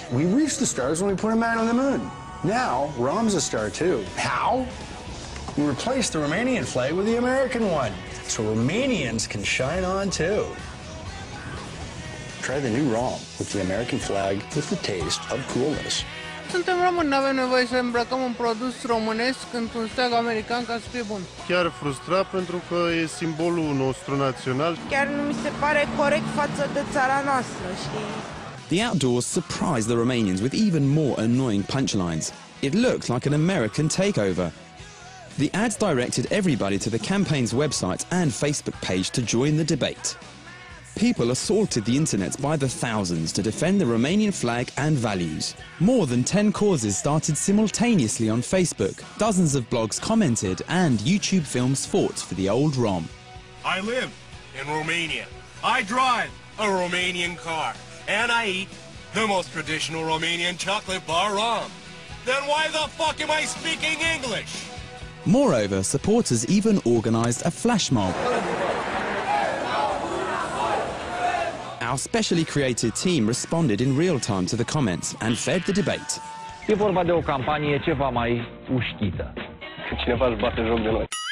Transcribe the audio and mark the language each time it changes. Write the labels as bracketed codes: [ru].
[en] We reach the stars when we put a man on the moon. Now, ROM's a star too. How? We replace the Romanian flag with the American one, so Romanians can shine on too. Try the new ROM with the American flag with the taste of coolness. [ro] Suntem români, n-avem nevoie să îmbrăcăm un produs românesc într-un steag american ca să fie bun. Chiar frustrat pentru că e simbolul nostru național. Chiar nu mi se pare corect față de țara noastră, știi? [en] The outdoors surprised the Romanians with even more annoying punchlines. It looked like an American takeover. The ads directed everybody to the campaign's website and Facebook page to join the debate. People assaulted the internet by the thousands to defend the Romanian flag and values. More than 10 causes started simultaneously on Facebook. Dozens of blogs commented and YouTube films fought for the old ROM. I live in Romania. I drive a Romanian car. And I eat the most traditional Romanian chocolate bar ROM. Then why the fuck am I speaking English? Moreover, supporters even organized a flash mob. Our specially created team responded in real time to the comments and fed the debate. [ro] E vorba de o campanie ceva mai uștită. Cineva își bate joc de noi.